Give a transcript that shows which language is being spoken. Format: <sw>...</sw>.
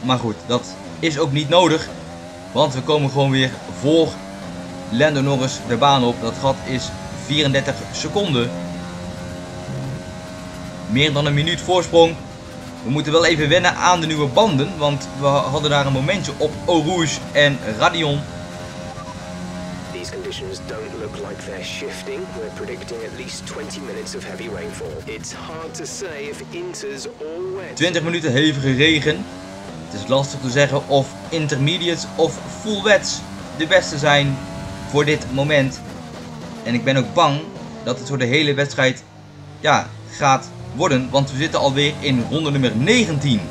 <nl>Maar goed, dat is ook niet nodig. Want we komen gewoon weer voor Lando Norris de baan op. Dat gat is 34 seconden. Meer dan een minuut voorsprong. We moeten wel even wennen aan de nieuwe banden. Want we hadden daar een momentje op Eau Rouge en Radeon.</nl> <en>These conditions don't look like they're shifting. We're predicting at least 20 minutes of heavy rainfall. It's hard to say if inters or wet.</en> <nl>20 minuten hevige regen. Het is lastig te zeggen of intermediates of full wets de beste zijn voor dit moment. En ik ben ook bang dat het voor de hele wedstrijd gaat worden, want we zitten alweer in ronde nummer 19.</nl>